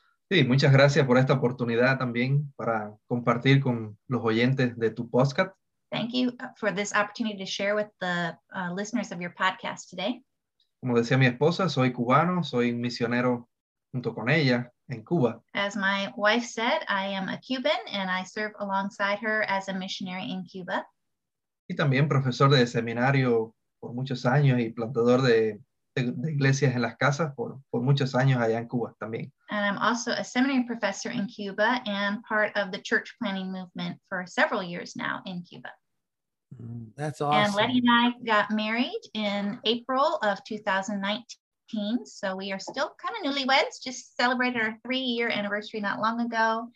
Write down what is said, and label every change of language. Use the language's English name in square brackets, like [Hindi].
[Spanish] Sí, muchas gracias por esta oportunidad también para compartir con los oyentes de tu podcast. [English] Thank you for this opportunity to share with the listeners of your podcast today. [Spanish] Como decía mi esposa, soy cubano, soy misionero junto con ella en Cuba. [English] As my wife said, I am a Cuban and I serve alongside her as a missionary in Cuba. [Spanish] Y también profesor de seminario por muchos años y plantador de iglesias en las casas por muchos años allá en Cuba también. [English] And I'm also a seminary professor in Cuba and part of the church planting movement for several years now in Cuba. That's awesome. And Ledy and I got married in April of 2019. So we are still kind of newlyweds, just celebrated our 3-year anniversary not long ago.